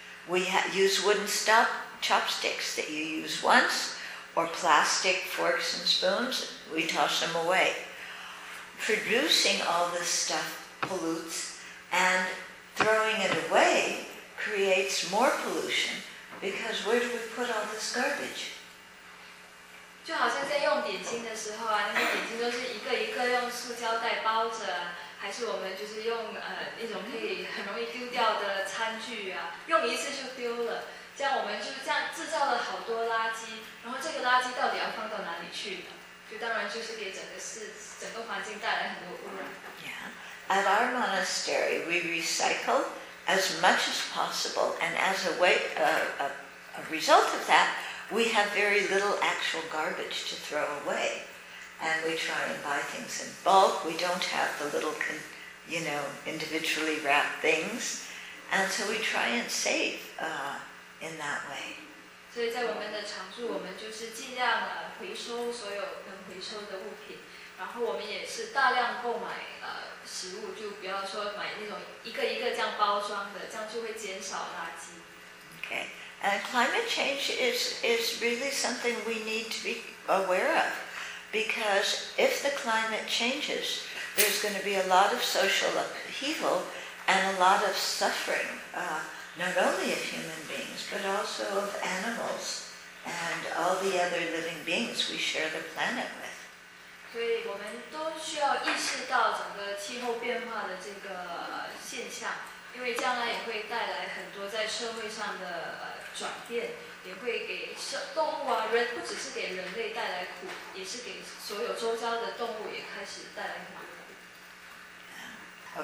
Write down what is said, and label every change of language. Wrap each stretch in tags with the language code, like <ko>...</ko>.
<en>We use wooden chopsticks that you use once, or plastic forks and spoons. We toss them away. Producing all this stuff pollutes, and throwing it away creates more pollution. Because where do we put all this garbage?</en> <zh>就好像在用点心的时候啊，那些点心都是一个一个用塑胶袋包着，还是我们就是用一种可以很容易丢掉的餐具啊，用一次就丢了，这样我们就这样制造了好多垃圾，然后这个垃圾到底要放到哪里去呢？就当然就是给整个环境带来很多污染。</zh> <en>At our monastery, we recycle as much as possible, and as a way, a result of that, we have very little actual garbage to throw away. And we try and buy things in bulk. We don't have the little, you know, individually wrapped things. And so we try and save in that way. So in our</en> <zh>常住，我们就是尽量回收所有能回收的物品，然后我们也是大量购买食物，就不要说买那种一个一个这样包装的，这样就会减少垃圾。</zh> <en>Okay, and climate change is really something we need to be aware of, because if the climate changes, there's going to be a lot of social upheaval and a lot of suffering, not only of human beings but also of animals and all the other living beings we share the planet with.</en> <zh>所以我们都需要意识到整个气候变化的这个现象，因为将来也会带来很多在社会上的转变，也会给动物啊，人不只是给人类带来苦，也是给所有周遭的动物也开始带来很多苦。</zh>